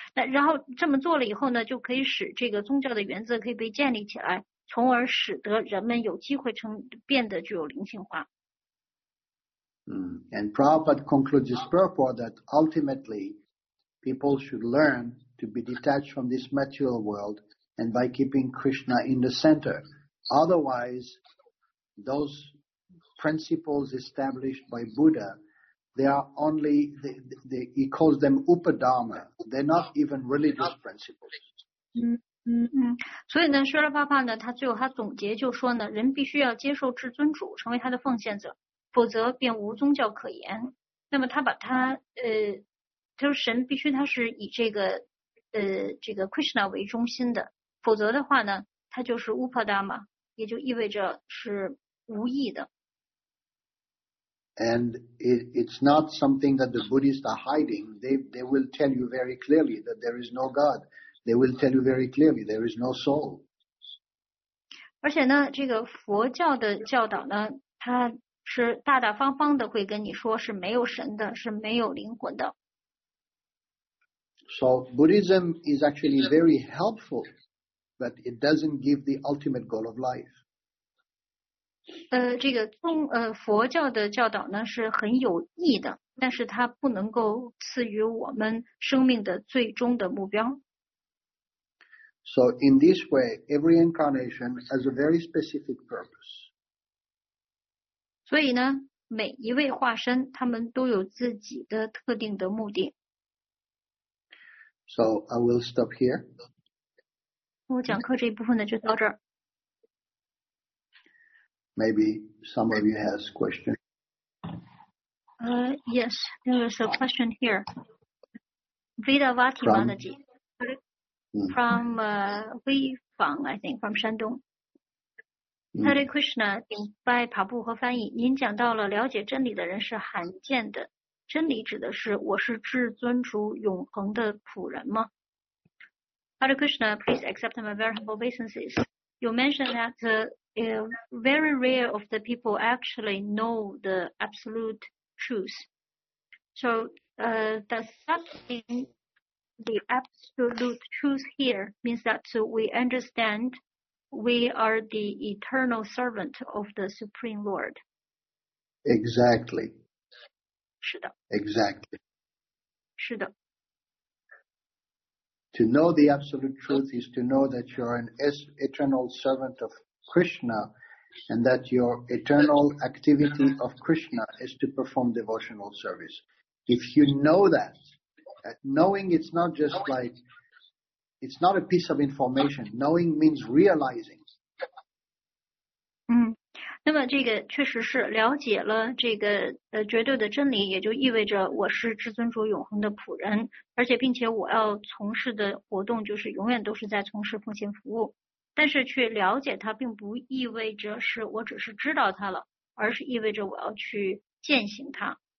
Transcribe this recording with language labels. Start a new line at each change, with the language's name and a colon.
Chinese: 那然后这么做了以后呢，就可以使这个宗教的原则可以被建立起来，从而使得人们有机会变得具有灵性化。
English: And Prabhupada concludes his purport that ultimately people should learn to be detached from this material world and by keeping Krishna in the center. Otherwise, those. Principles established by Buddha, they are only, he calls them Upadharma. They're not even religious principles.
Chinese: 所以呢，舍利巴巴呢，他最后他总结就说呢，人必须要接受至尊主，成为他的奉献者，否则便无宗教可言。那么他把他他说神必须他是以这个 Krishna 为中心的，否则的话呢，他就是 Upadharma， 也就意味着是无义的。
English: And it's not something that the Buddhists are hiding. They will tell you very clearly that there is no God. They will tell you very clearly there is no soul.
Chinese: 而且呢，这个佛教的教导呢，它是大大方方的会跟你说是没有神的，是没有灵魂的。
English: So Buddhism is actually very helpful, but it doesn't give the ultimate goal of life.
Chinese: 这个佛教的教导呢是很有益的，但是它不能够赐予我们生命的最终的目标。
English: So in this way, every incarnation has a very specific purpose.
Chinese: 所以呢，每一位化身，他们都有自己的特定的目的。
English: So I will stop here.
Chinese: 我讲课这一部分呢，就到这儿。
English: Maybe some of you has questions. Yes, there is a question here. Vedavati Manaji. From Hui Fang, I think, from Shandong. Hare Krishna,
Chinese: 请拜帕布和翻译。您讲到了了解真理的人是罕见的。真理指的是我是至尊主永恒的仆人吗？
English: Hare Krishna, please accept my very humble obeisances. You mentioned that very rare of the people actually know the absolute truth. So does that mean the absolute truth here means that we understand we are the eternal servant of the Supreme Lord? Exactly.
Chinese: 是的。
English: Exactly.
Chinese: 是的。
English: To know the absolute truth is to know that you are an eternal servant of Krishna, and that your eternal activity of Krishna is to perform devotional service. If you know that, knowing it's not just like, it's not a piece of information. Knowing means realizing.
Chinese: 那么这个确实是了解了这个绝对的真理，也就意味着我是至尊主永恒的仆人，而且并且我要从事的活动就是永远都是在从事奉献服务。但是去了解它并不意味着是我只是知道它了，而是意味着我要去践行它。